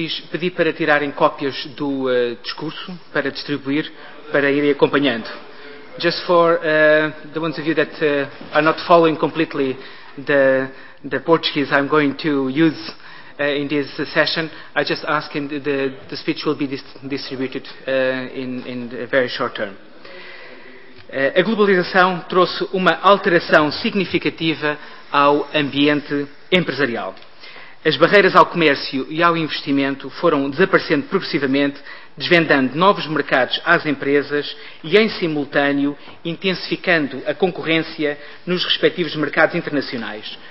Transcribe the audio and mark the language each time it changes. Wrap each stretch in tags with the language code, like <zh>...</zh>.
<pt>Pedi para tirarem cópias do discurso para distribuir, para irem acompanhando.</pt> <en>Just for the ones of you that are not following completely the Portuguese I'm going to use in this session, I just ask and the speech will be distributed in a very short term.</en> <pt>A globalização trouxe uma alteração significativa ao ambiente empresarial. As barreiras ao comércio e ao investimento foram desaparecendo progressivamente, desvendando novos mercados às empresas e, em simultâneo, intensificando a concorrência nos respectivos mercados internacionais.</pt>